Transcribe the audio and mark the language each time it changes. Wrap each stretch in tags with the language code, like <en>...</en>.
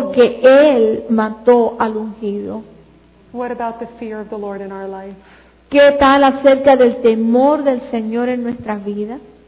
<es>Porque él mató al ungido.</es> <en>What about the fear of the Lord in our life?</en> <es>¿Qué tal acerca del temor del Señor en nuestras vidas?</es>